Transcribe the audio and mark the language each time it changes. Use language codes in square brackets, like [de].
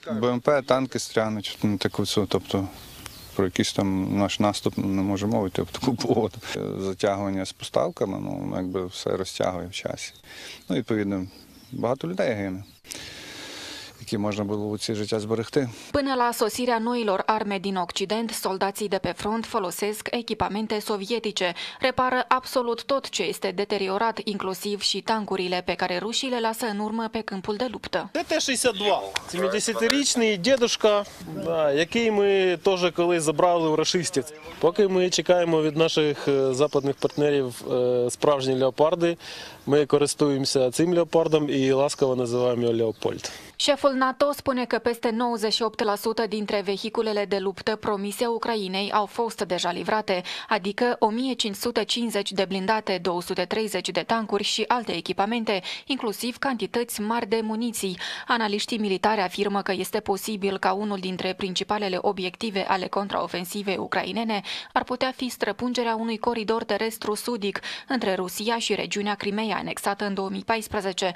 [uk] БМП, танки стрянуть, ну, таку цю, тобто про якийсь там наш наступ не можемо мовити в таку погоду. Затягування з поставками, ну, якби все розтягує в часі. Ну, відповідно, багато людей гине, які можна було б ці життя зберегти. [ro] Până la sosirea noilor arme din Occident, soldații de pe front folosesc echipamente sovietice, repară absolut tot ce este deteriorat, inclusiv și tancurile pe care rușii le lasă în urmă pe câmpul de luptă. [uk] Т-62, 70-річний дедушка, да, який ми теж коли забрали у рашистів. Поки ми чекаємо від наших западних партнерів справжні леопарди, ми користуємося цим леопардом і ласкаво називаємо його Леопольд. [ro] Șeful NATO spune că peste 98% dintre vehiculele de luptă promise Ucrainei au fost deja livrate, adică 1550 de blindate, 230 de tancuri și alte echipamente, inclusiv cantități mari de muniții. Analiștii militari afirmă că este posibil ca unul dintre principalele obiective ale contraofensivei ucrainene ar putea fi străpungerea unui coridor terestru sudic între Rusia și regiunea Crimeei anexată în 2014.